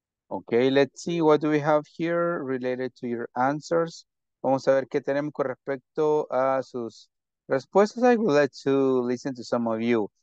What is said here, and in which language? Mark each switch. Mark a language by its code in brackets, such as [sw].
[en] Okay, let's see what do we have here related to your answers. [es] Vamos a ver qué tenemos con respecto a sus respuestas. [en] I would like to listen to some of you.